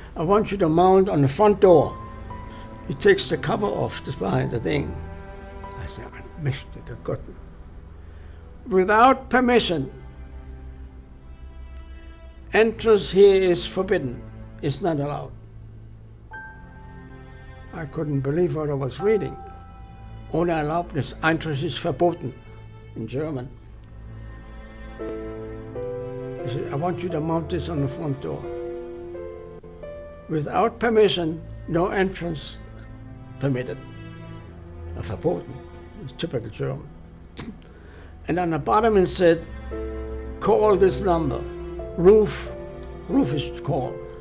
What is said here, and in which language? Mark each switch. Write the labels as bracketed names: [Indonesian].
[English] I want you to mount on the front door. He takes the cover off to find the thing. I say, I missed it, I couldn't. Without permission, entrance here is forbidden. It's not allowed. I couldn't believe what I was reading. [German] Ohne Erlaubnis, Eintritt ist verboten, [English] in German. He said, I want you to mount this on the front door. Without permission, no entrance permitted. A verboten, it's typical German. And on the bottom it said, call this number, Ruth is called.